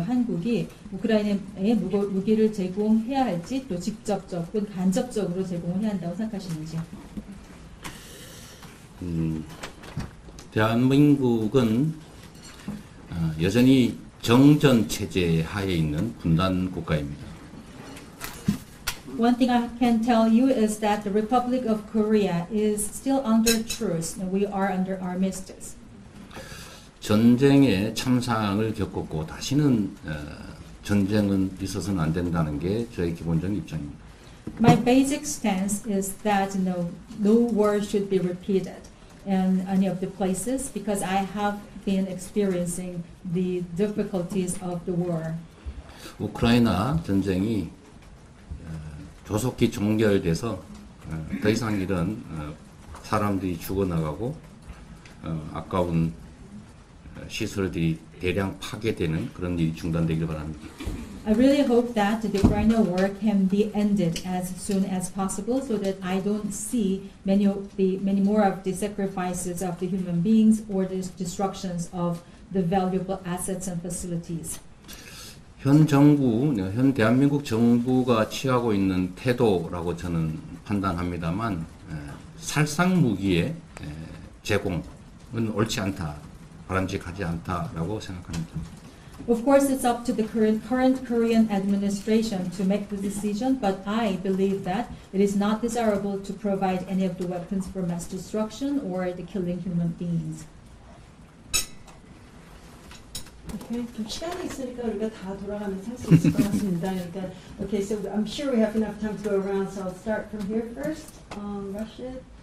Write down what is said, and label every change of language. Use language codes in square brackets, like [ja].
[ko] 한국이 우크라이나에 무기를 제공해야 할지 또 직접적 혹은 간접적으로 제공을 해야 한다고 생각하시는지요? 대한민국은 여전히 정전 체제 하에 있는 분단 국가입니다. [en] One thing I can tell you is that the Republic of Korea is still under truce. We are under armistice. [ko] 전쟁의 참상을 겪었고 다시는 전쟁은 있어서는 안 된다는 게 저의 기본적인 입장입니다. [en] My basic stance is that no war should be repeated. and any of the places because I have been experiencing the difficulties of the war. [ko] 우크라이나 전쟁이 조속히 종결돼서 더 이상 이런 사람들이 죽어나가고 아까운 시설들이 대량 파괴되는 그런 일이 중단되길 바랍니다. [en] I really hope that the Ukraine war can be ended as soon as possible so that I don't see many more of the sacrifices of the human beings or the destructions of the valuable assets and facilities. [ko] 현 정부, 현 대한민국 정부가 취하고 있는 태도라고 저는 판단합니다만 살상 무기의 제공은 옳지 않다. 바람직하지 않다라고 생각합니다. [en] Of course, it's up to the current Korean administration to make the decision, but I believe that it is not desirable to provide any of the weapons for mass destruction or the killing human beings. Okay, so I'm sure we have enough time to go around, so I'll start from here first. Rashid.